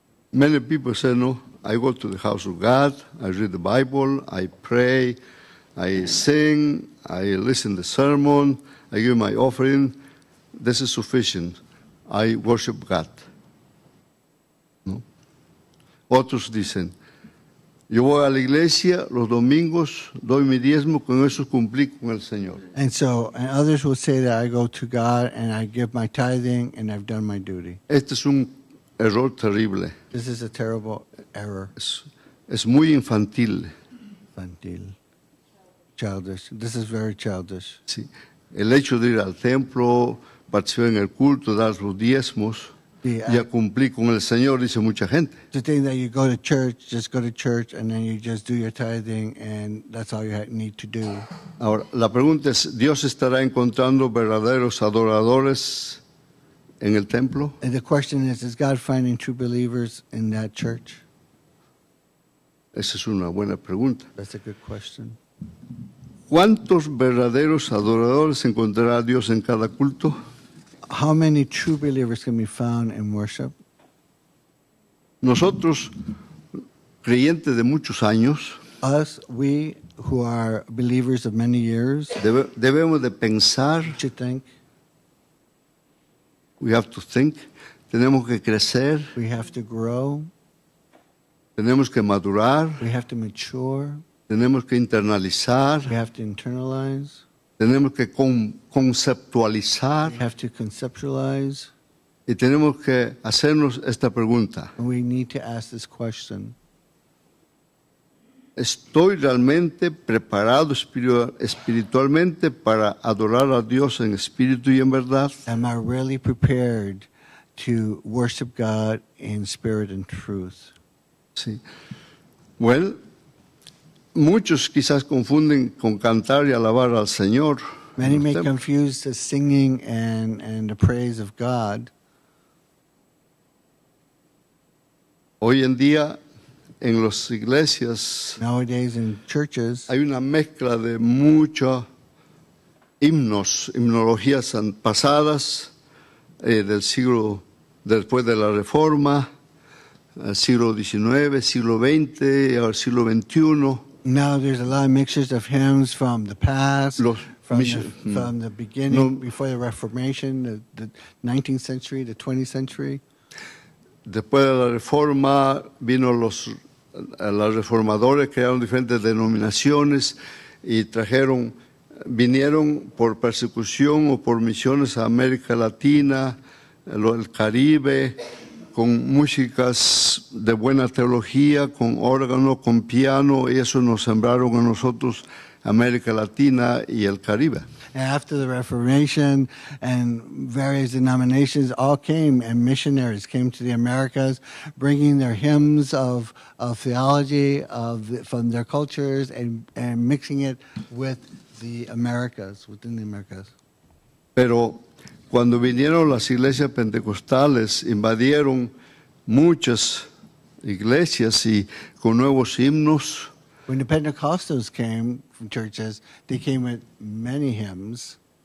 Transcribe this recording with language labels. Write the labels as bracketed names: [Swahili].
[English] Many people say, no, I go to the house of God, I read the Bible, I pray, I sing, I listen to the sermon, I give my offering, this is sufficient. I worship God. [Spanish] ¿No? Otros dicen, yo voy a la iglesia los domingos, doy mi diezmo, con eso cumplí con el Señor. [English] And so, and others will say that I go to God and I give my tithing and I've done my duty. [Spanish] Este es un error terrible. [English] This is a terrible error. [Spanish] Es muy infantil. [English] Infantil. Childish. This is very childish. [Spanish] Sí. El hecho de ir al templo, participar en el culto, dar los diezmos, ya cumplí con el Señor, dice mucha gente. [English] The thing that you go to church, just go to church, and then you just do your tithing, and that's all you need to do. [Spanish] Ahora, la pregunta es, ¿Dios estará encontrando verdaderos adoradores en el templo? [English] And the question is God finding true believers in that church? [Spanish] Esa es una buena pregunta. [English] That's a good question. [Spanish] ¿Cuántos verdaderos adoradores encontrará Dios en cada culto? [English] How many true believers can be found in worship? [Spanish] Nosotros, creyentes de muchos años, [English] us, we who are believers of many years, [Spanish] debemos de pensar, [English] to think, we have to think, [Spanish] tenemos que crecer, [English] we have to grow, [Spanish] tenemos que madurar, [English] we have to mature, [Spanish] tenemos que internalizar, [English] we have to internalize, [Spanish] tenemos que conceptualizar, [English] we have to conceptualize, [Spanish] y tenemos que hacernos esta pregunta. [English] We need to ask this question. [Spanish] ¿Estoy realmente preparado espiritualmente para adorar a Dios en espíritu y en verdad? [English] Am I really prepared to worship God in spirit and truth? [Spanish] Sí. Well, muchos quizás confunden con cantar y alabar al Señor. [English] Many may confuse the singing and the praise of God. [Spanish] Hoy en día, en las iglesias, [English] nowadays in churches, [Spanish] hay una mezcla de muchos himnos, himnologías pasadas del siglo después de la Reforma, siglo XIX, siglo XX, ahora siglo XXI. [English] Now there's a lot of mixtures of hymns from the past, from the beginning, before the Reformation, the 19th century, the 20th century. [Spanish] Después de la Reforma vino los las reformadores, crearon diferentes denominaciones y trajeron, vinieron por persecución o por misiones a América Latina, el Caribe, con músicas de buena teología, con órgano, con piano, y eso nos sembraron a nosotros América Latina y el Caribe. [English] And after the Reformation and various denominations all came, and missionaries came to the Americas bringing their hymns of theology from their cultures and mixing it with the Americas, within the Americas. [Spanish] Pero cuando vinieron las iglesias pentecostales, invadieron muchas iglesias y con nuevos himnos. [English] When the Pentecostals came from churches, they came with many hymns.